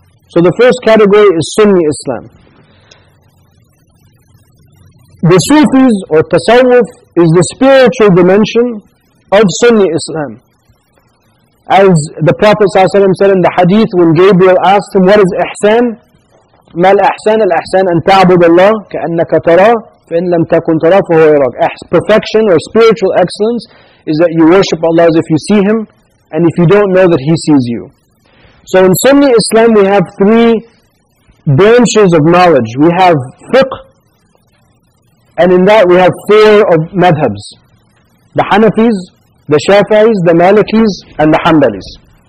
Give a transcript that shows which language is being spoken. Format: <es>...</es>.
<en>So the first category is Sunni Islam. The Sufis or Tasawwuf is the spiritual dimension of Sunni Islam. As the Prophet ﷺ said in the hadith, when Gabriel asked him, what is Ihsan?</en> <ar>ما الاحسان الاحسان ان تعبد الله كانك تراه فان لم تكن تراه فهو يراك.</ar> <en>Perfection or spiritual excellence is that you worship Allah as if you see him, and if you don't know that he sees you. So in Sunni Islam we have three branches of knowledge. We have fiqh, and in that we have four of madhabs: the Hanafis, the Shafi'is, the Malikis, and the Hanbalis.</en>